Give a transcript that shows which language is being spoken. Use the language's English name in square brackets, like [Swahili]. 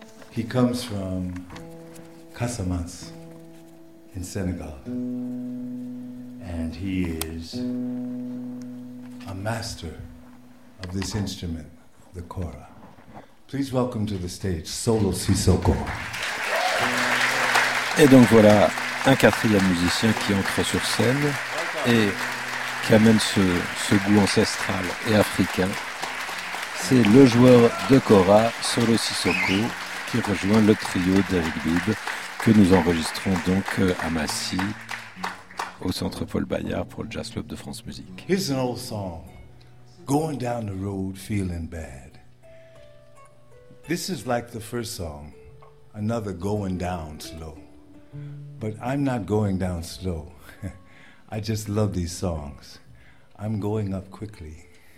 [English] He comes from Casamance in Senegal, and he is a master of this instrument, the kora. Please welcome to the stage Solo Sissoko. [French] Et donc voilà un quatrième musicien qui entre sur scène et qui amène ce goût ancestral et africain. C'est le joueur de kora, Solo Sissoko, qui rejoint le trio d'Eric Bibb, que nous enregistrons donc à Massy, au Centre Paul Bayard, pour le Jazz Club de France Musique. [English] Here's an old song, going down the road feeling bad. This is like the first song, another going down slow. But I'm not going down slow. I just love these songs. I'm going up quickly.